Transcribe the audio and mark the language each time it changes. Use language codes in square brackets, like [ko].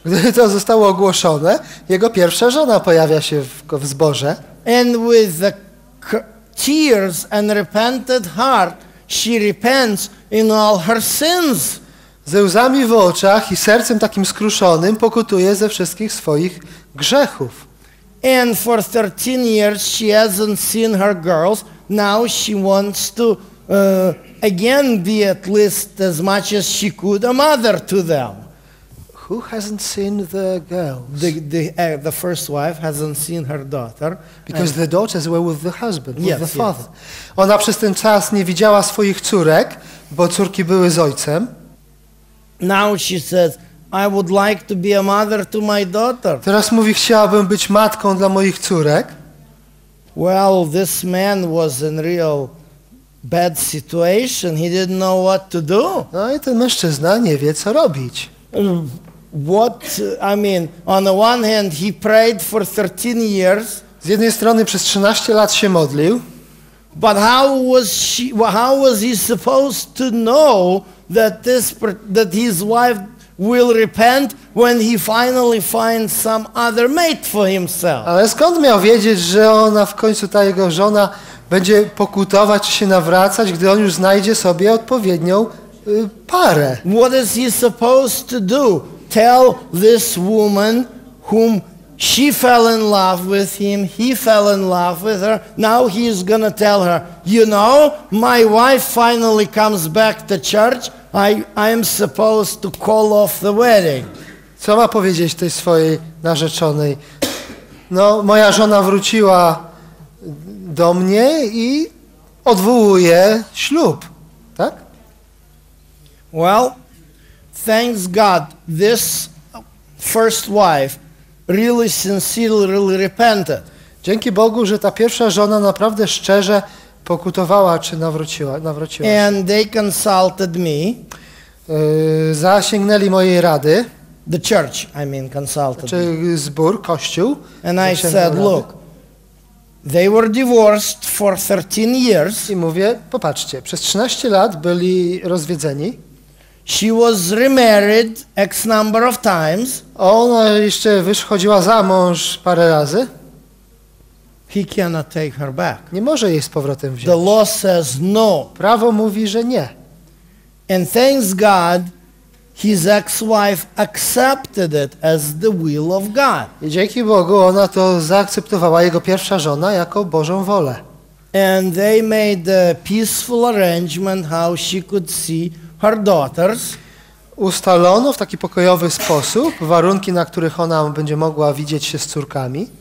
[pl] Gdy to zostało ogłoszone, jego pierwsza żona pojawia się w zborze. [en] And with the tears and repentant heart, she repents in all her sins. [pl] Ze łzami w oczach i sercem takim skruszonym pokutuje ze wszystkich swoich grzechów. [en] And for 13 years she hasn't seen her girls. Now she wants to again be at least as much as she could a mother to them. Who hasn't seen the girls? The first wife hasn't seen her daughter. Because the daughters were with the husband, with the father. Yes. [pl] Ona przez ten czas nie widziała swoich córek, bo córki były z ojcem. [en] Now she says, I would like to be a mother to my daughter. [pl] Teraz mówi, chciałabym być matką dla moich córek. [en] Well, this man was in real bad situation. He didn't know what to do. [pl] No i ten mężczyzna nie wie, co robić. [en] What, I mean, on the one hand, he prayed for 13 years. [pl] Z jednej strony przez 13 lat się modlił. [en] But how was he supposed to know that his wife will repent when he finally finds some other mate for himself? [pl] Ale skąd miał wiedzieć, że ona w końcu, ta jego żona, będzie pokutować czy się nawracać, gdy on już znajdzie sobie odpowiednią parę? [en] What is he supposed to do? Tell this woman whom she fell in love with him, he fell in love with her. Now he's gonna tell her, you know, my wife finally comes back to church. I am supposed to call off the wedding. [pl] Co ma powiedzieć tej swojej narzeczonej? No, moja żona wróciła do mnie i odwołuje ślub, tak? [en] Well, thanks God, this first wife really sincerely repented. [pl] Dzięki Bogu, że ta pierwsza żona naprawdę szczerze pokutowała, czy nawróciła się. [en] And they consulted me. [pl] Zasięgnęli mojej rady. [en] The church, I mean, consulted. [pl] Czy zbór, kościół. [en] And I said, look, they were divorced for 13 years. [pl] I mówię, popatrzcie, przez 13 lat byli rozwiedzeni. [en] She was remarried X number of times. [pl] Ona jeszcze wychodziła za mąż parę razy. [en] He cannot take her back. [pl] Nie może jej z powrotem wziąć. [en] The law says no. [pl] Prawo mówi, że nie. [en] And thanks God, his ex-wife accepted it as the will of God. [pl] I dzięki Bogu ona to zaakceptowała, jego pierwsza żona, jako Bożą wolę. [en] And they made a peaceful arrangement how she could see her daughters. [pl] Ustalono w taki pokojowy sposób warunki, na których ona będzie mogła widzieć się z córkami.